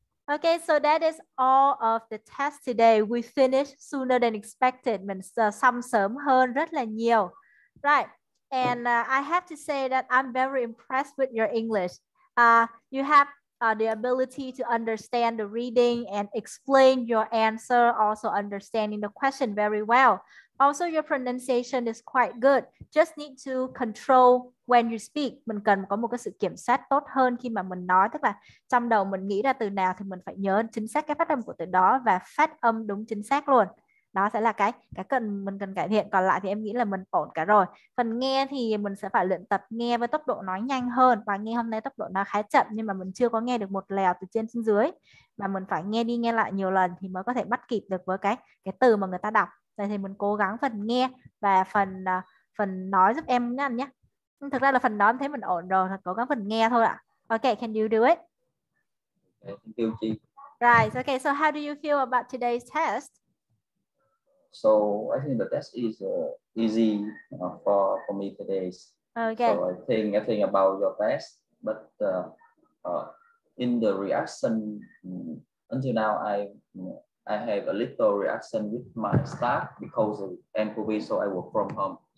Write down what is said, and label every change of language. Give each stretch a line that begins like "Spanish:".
English: Okay, so that is all of the test today. We finished sooner than expected.
Vietnamese: Mình xong sớm hơn rất là nhiều.
English: Right. And I have to say that I'm very impressed with your English. You have the ability to understand the reading and explain your answer, also understanding the question very well. Also, your pronunciation is quite good. Just need to control when you speak.
Vietnamese: Mình cần có một cái sự kiểm soát tốt hơn khi mà mình nói. Tức là trong đầu mình nghĩ ra từ nào thì mình phải nhớ chính xác cái phát âm của từ đó và phát âm đúng chính xác luôn. Đó sẽ là cái cần mình cần cải thiện. Còn lại thì em nghĩ là mình ổn cả rồi. Phần nghe thì mình sẽ phải luyện tập nghe với tốc độ nói nhanh hơn. Và nghe hôm nay tốc độ nó khá chậm nhưng mà mình chưa có nghe được một lèo từ trên xuống dưới. Mà mình phải nghe đi nghe lại nhiều lần thì mới có thể bắt kịp được với cái từ mà người ta đọc. Vậy thì mình cố gắng phần nghe và phần nói giúp em nhanh nhé. Thực ra là phần nói thấy mình ổn rồi, cố gắng phần nghe thôi ạ.
English: Ok, can you do it? Thank you, chị. Right. Okay. So how do you feel about today's test? So I think the test is easy for me today. Okay. So I think about your test, but in the reaction until now, I have a little reaction with my staff because of COVID, so I work from home.